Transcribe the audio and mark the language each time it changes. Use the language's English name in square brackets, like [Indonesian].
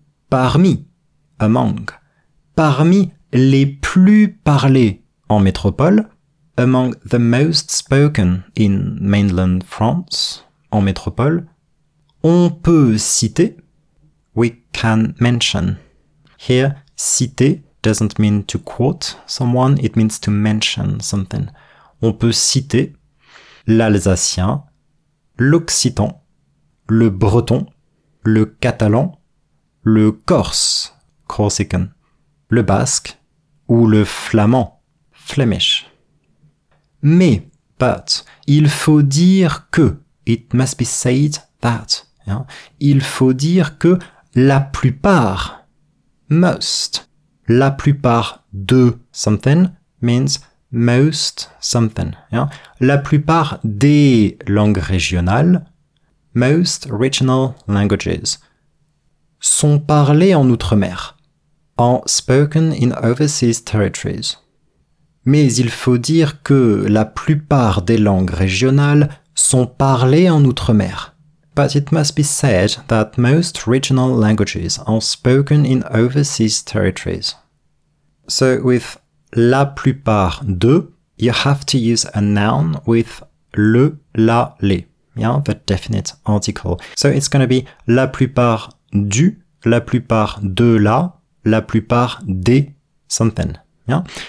[French] Parmi, [English] among, [French] parmi les plus parlés en métropole, [English] among the most spoken in mainland France, [French] en métropole, on peut citer, [English] we can mention. Here, citer doesn't mean to quote someone, it means to mention something. [French] On peut citer l'alsacien, l'occitan, le breton, le catalan, le Corse, Corsican, le Basque, ou le Flamand, Flemish. Mais, [English] but, [French] il faut dire que, [English] it must be said that, [French] yeah, il faut dire que la plupart, [English] most, [French] la plupart de [English] something means most something, [French] yeah, la plupart des langues régionales, [English] most regional languages, [French] sont parlés en outre-mer, [English] are spoken in overseas territories. [French] Mais il faut dire que la plupart des langues régionales sont parlées en outre-mer. [English] But it must be said that most regional languages are spoken in overseas territories. So with la plupart de, you have to use a noun with le, la, les. Yeah, the definite article. So it's going to be la plupart du, la plupart de la, la plupart des something. Yeah?